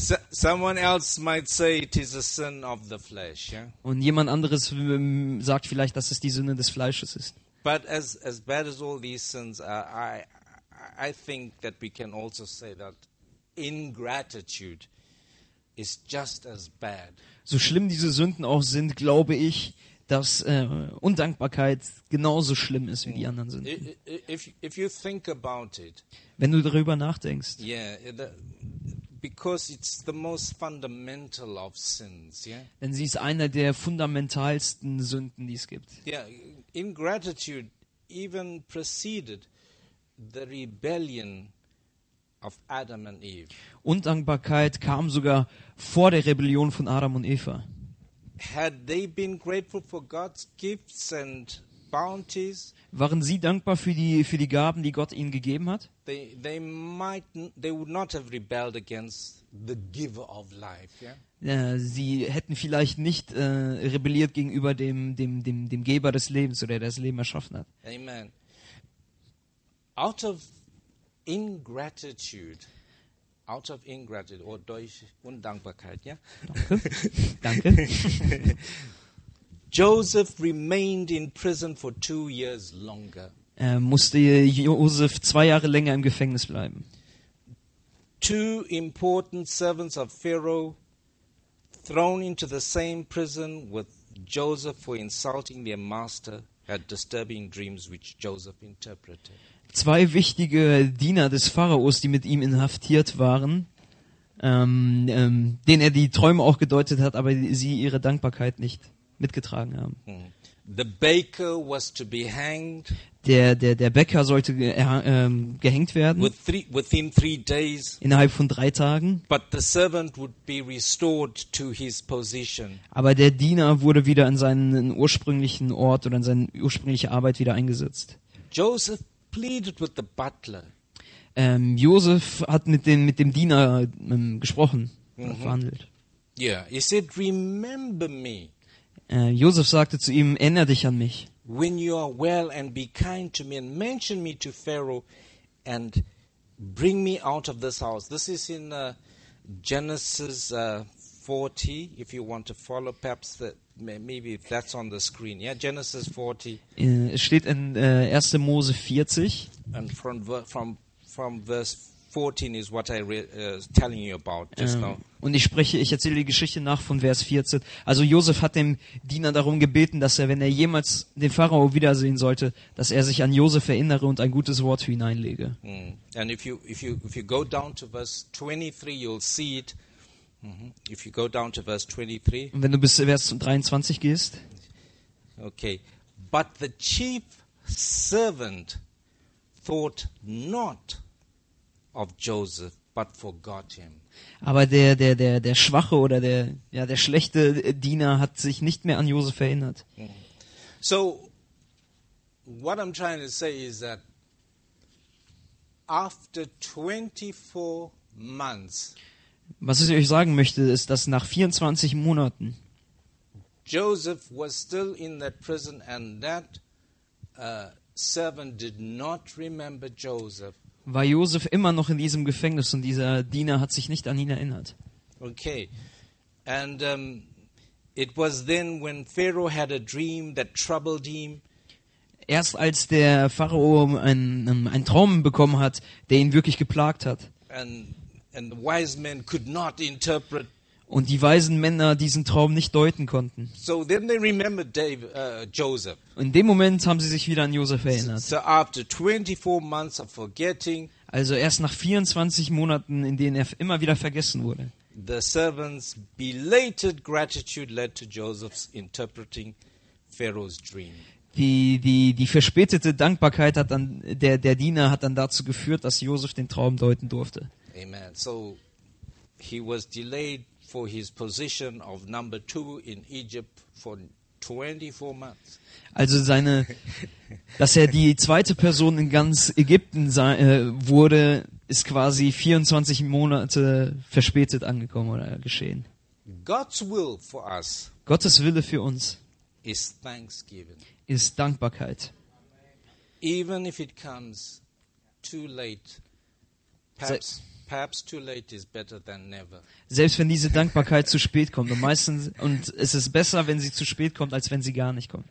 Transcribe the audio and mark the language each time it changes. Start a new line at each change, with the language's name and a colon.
English: Someone else might say it is a sin of the flesh. Yeah?
German: Und jemand anderes sagt vielleicht, dass es die Sünde des Fleisches ist.
English: But as bad as all these sins are, I think that we can also say that ingratitude is just as bad.
German: So schlimm diese Sünden auch sind, glaube ich, dass Undankbarkeit genauso schlimm ist wie die anderen Sünden.
English: If you think about it,
German: wenn du darüber nachdenkst,
English: yeah, because it's the most fundamental of sins, yeah?
German: Denn sie ist eine der fundamentalsten Sünden, die es gibt.
English: Yeah, ingratitude even preceded the rebellion of Adam and Eve.
German: Undankbarkeit kam sogar vor der Rebellion von Adam und Eva.
English: Had they been grateful for God's gifts and bounties?
German: Waren sie dankbar für die Gaben, die Gott ihnen gegeben hat?
English: They would not have rebelled against the giver of life, yeah?
German: Ja, sie hätten vielleicht nicht rebelliert gegenüber dem Geber des Lebens oder der das Leben erschaffen hat.
English: Amen. out of ingratitude, out of ingratitude, or
German: durch Undankbarkeit,
English: yeah?
German: Danke.
English: Joseph remained in prison for 2 years longer.
German: Musste Joseph 2 Jahre länger im Gefängnis bleiben.
English: 2 important servants of Pharaoh thrown into the same prison with Joseph for insulting their master had disturbing dreams which Joseph interpreted.
German: 2 wichtige Diener des Pharaos, die mit ihm inhaftiert waren, denen er die Träume auch gedeutet hat, aber sie ihre Dankbarkeit nicht mitgetragen haben.
English: The baker was to be hanged.
German: Der Bäcker sollte gehängt werden.
English: Within 3 days.
German: Innerhalb von 3 Tagen.
English: But the servant would be restored to his position.
German: Aber der Diener wurde wieder in seinen ursprünglichen Ort oder in seine ursprüngliche Arbeit wieder eingesetzt.
English: Joseph pleaded with the butler.
German: Joseph hat mit dem Diener gesprochen, verhandelt.
English: Yeah, he said, "Remember me."
German: Joseph sagte zu ihm: "Erinner dich an mich."
English: When you are well and be kind to me and mention me to Pharaoh and bring me out of this house. This is in Genesis 40, if you want to follow, perhaps that maybe that's on the screen. Yeah, Genesis 40.
German: Es steht in 1. Mose 40.
English: And from verse 14 is what I telling you about just now.
German: Und ich erzähle die Geschichte nach von Vers 14. Also Josef hat dem Diener darum gebeten, dass er, wenn er jemals den Pharao wiedersehen sollte, dass er sich an Josef erinnere und ein gutes Wort für ihn einlege.
English: And if you go down to verse 23, you'll see it. If you go down to verse 23.
German: Und wenn du bis Vers 23 gehst.
English: Okay. But the chief servant thought not of Joseph, but forgot him.
German: Aber der schwache oder der schlechte Diener hat sich nicht mehr an Joseph erinnert.
English: So, what I'm trying to say is that after 24 months,
German: was ich euch sagen möchte, ist, dass nach 24 Monaten
English: Joseph was still in that prison and that servant did not remember Joseph.
German: War Joseph immer noch in diesem Gefängnis und dieser Diener hat sich nicht an ihn erinnert.
English: Okay. And it was then when Pharaoh had a dream that troubled him.
German: Erst als der Pharao einen Traum bekommen hat, der ihn wirklich geplagt hat.
English: And the wise men could not interpret.
German: Und die weisen Männer diesen Traum nicht deuten konnten.
English: So then they remembered Joseph.
German: In dem Moment haben sie sich wieder an Joseph erinnert.
English: So after 24 months of forgetting,
German: also erst nach 24 Monaten, in denen er immer wieder vergessen wurde,
English: the servant's belated gratitude led to Joseph's interpreting Pharaoh's dream.
German: Die verspätete Dankbarkeit hat dann, der Diener hat dann dazu geführt, dass Joseph den Traum deuten durfte.
English: Amen. So he was delayed for his position of number 2 in Egypt for 24 months.
German: Also seine, dass er die zweite Person in ganz Ägypten wurde, ist quasi 24 Monate verspätet angekommen oder geschehen.
English: God's will for us.
German: Gottes Wille für uns
English: is thanksgiving.
German: Ist Dankbarkeit.
English: Even if it comes too late, perhaps too late is better than never.
German: Selbst wenn diese Dankbarkeit zu spät kommt, und meistens, und es ist besser, wenn sie zu spät kommt, als wenn sie gar nicht kommt.